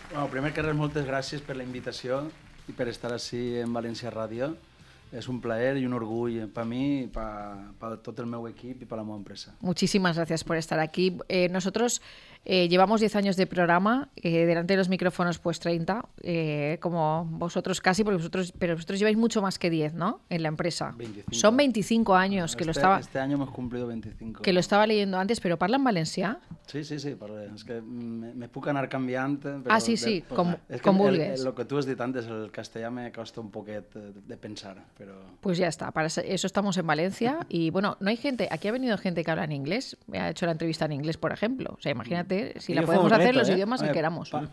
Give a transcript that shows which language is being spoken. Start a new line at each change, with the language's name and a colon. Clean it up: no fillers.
Catalan: Bueno, primer que res, moltes gràcies per la invitació i per estar així en València Ràdio. És un plaer i un orgull per a mi i per tot el meu equip i per la meva empresa. Moltíssimes gràcies per estar aquí.
Spanish: Nosotros llevamos 10 anys de programa, delante de los micrófonos pues 30, como vosotros casi, porque vosotros, pero vosotros lleváis mucho más que 10, ¿no?, en la empresa. 25. Son 25 años, bueno, que este, lo estaba... Este año hemos cumplido 25. Que lo estaba leyendo antes, pero
Catalan: ¿parla en valencià? Sí, sí, sí, parlo. Es que me puc anar canviant.
Spanish: Pero
Catalan: ah, sí, sí, de, pues, com vulguis. Lo que tú has dit antes, el castellà me costa un poquet de pensar, pero...
Spanish: Pues ya está, para eso estamos en Valencia. Y bueno, no hay gente... Aquí ha venido gente que habla en inglés. Me ha hecho la entrevista en inglés, por ejemplo. O sea, imagínate, si la podemos hacer reto, los idiomas que queramos.